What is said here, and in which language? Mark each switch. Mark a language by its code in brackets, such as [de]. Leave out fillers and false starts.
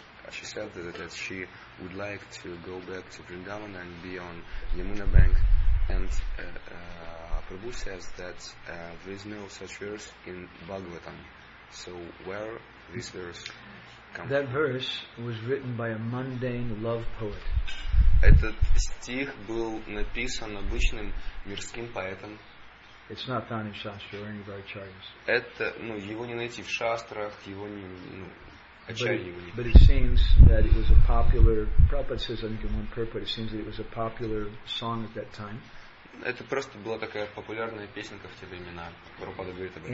[en] She said that she would like to go back to Vrindavan and be on Yamuna bank. And Prabhu says that there is no such verse in Bhagavatam. So where this verse comes? That verse was written by a mundane love poet. [ru] Этот стих был написан обычным мирским поэтом. It's not found in Shastra or any of our charters. Это, ну, его не найти в шастрах, его не, ну, [en] But it seems that it was a popular. Prabhupada says, I think in one purport, it seems that it was a popular song at that time. [ru] Это просто была такая популярная песенка в те времена. Прабхупада говорит об этом.